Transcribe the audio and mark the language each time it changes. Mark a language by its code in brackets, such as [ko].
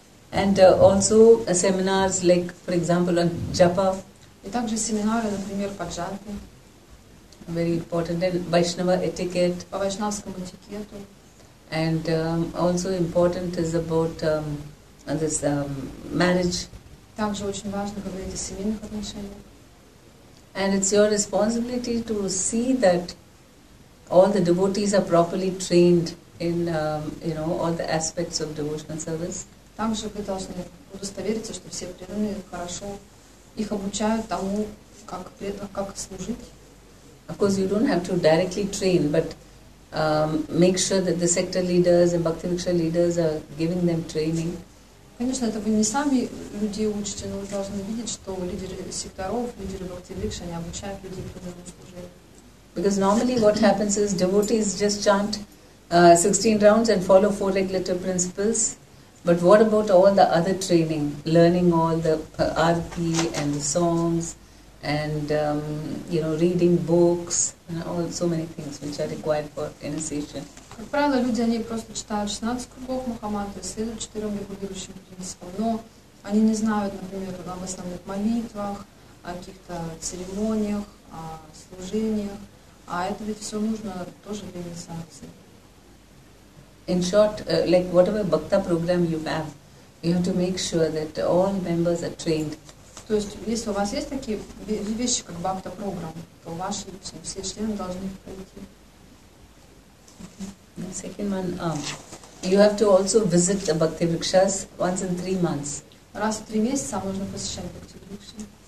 [en] And also seminars like, for example, on japa. [ru] И также семинары, например, по джапе. [en] Very important. And Vaishnava etiquette. [ru] По вайшнавскому этикету. [en] And also important is about and this marriage. [ru] Также очень важно говорить о семейных отношениях. [en] And it's your responsibility to see that all the devotees are properly trained in you know all the aspects of devotional service. [ru] Также вы должны удостовериться, что все преданные хорошо их обучают тому, как служить. [en] Of course, you don't have to directly train, but make sure that the sector leaders and bhakti viksha leaders are giving them training. [ru] Конечно, это вы не сами людей учите, но вы должны видеть, что лидеры секторов, лидеры бхакти-викши, они обучают людей преданному служению. [en] Because normally what happens is devotees just chant 16 rounds and follow four regulative principles. But what about all the other training, learning all the arti and the songs and you know reading books and all so many things which are required for initiation. [ru] Как правило, люди они просто читают 16 кругов Махамантры, следуют 4 регулирующим принципам, но они не знают, например, об основных молитвах, о каких-то церемониях, о служениях, а это ведь все нужно тоже для инициации. [en] In short, like whatever bhakta program you have to make sure that all members are trained. [ru] То есть, если у вас есть такие вещи, как бхакта программ, то ваши все члены должны их пройти. [en] The second one, you have to also visit the bhakti vrikshas once in 3 months. [ru] Раз в 3 месяца можно посещать бхакти врикши.